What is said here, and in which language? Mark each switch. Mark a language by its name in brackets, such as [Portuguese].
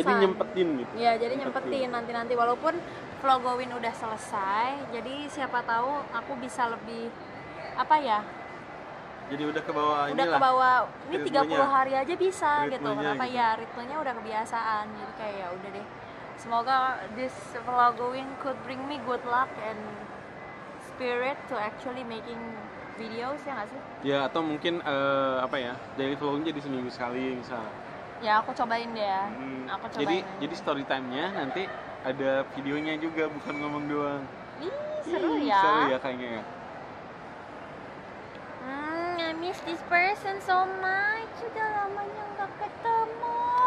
[Indonesian] Jadi nyempetin gitu. Iya, jadi nyempetin nanti-nanti walaupun vlogowin udah selesai. Jadi siapa tahu aku bisa lebih apa ya? Jadi udah kebawa ini lah. Udah kebawa, ini 30 hari aja bisa gitu. Kenapa gitu. Ya, ritmenya udah kebiasaan. Jadi kayak ya udah deh. Semoga [English] this vlogging could bring me good luck and spirit to actually making videos, [Indonesian] ya gak sih? Ya, atau mungkin daily vlogging jadi seminggu sekali misalnya. Ya, aku cobain deh ya. Aku cobain. Jadi story time-nya nanti ada videonya juga, bukan ngomong doang. Seru ya kayaknya ya. [English] I miss this person so much. [Indonesian] Udah lamanya gak ketemu.